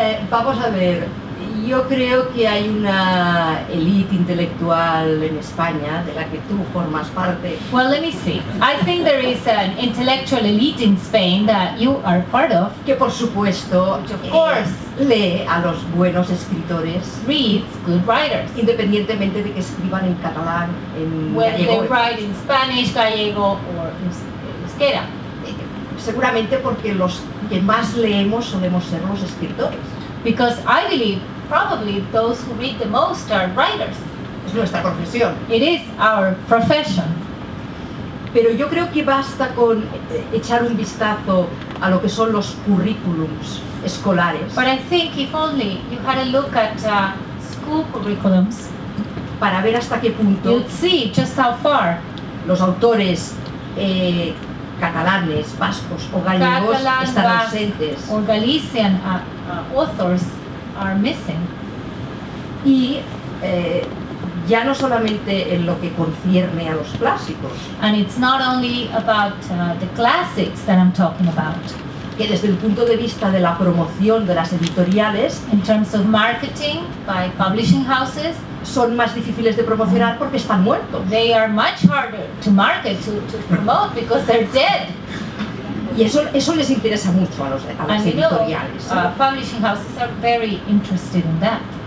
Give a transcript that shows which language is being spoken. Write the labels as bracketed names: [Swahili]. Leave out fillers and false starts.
[Spanish] Vamos a ver, yo creo que hay una élite intelectual en España de la que tú formas parte. [English] Well, let me see. I think there is an intellectual elite in Spain that you are part of. [Spanish] Que por supuesto, [English] of course, [Spanish] lee a los buenos escritores. [English] Reads good writers. [Spanish] Independientemente de que escriban en catalán, en [English] gallego. Whether they write in Spanish, gallego, or euskera. [Spanish] Seguramente porque los que más leemos solemos ser los escritores. [English] Because I believe probably those who read the most are writers. [Spanish] Es nuestra profesión. [English] It is our profession. [Spanish] Pero yo creo que basta con echar un vistazo a lo que son los currículums escolares. [English] But I think if only you had a look at school curriculums, [Spanish] para ver hasta qué punto [English] you'd see just how far [Spanish] los autores catalanes, vascos o gallegos están ausentes. [English] Or Galician authors are missing. [Spanish] Y ya no solamente en lo que concierne a los clásicos. [English] And it's not only about the classics that I'm talking about. [Spanish] Que desde el punto de vista de la promoción de las editoriales, [English] in terms of marketing by publishing houses, [Spanish] son más difíciles de promocionar porque están muertos. [English] They are much harder to market, to promote, because they're dead. [Spanish] Y eso les interesa mucho a las editoriales. [English] You know, publishing houses are very interested in that.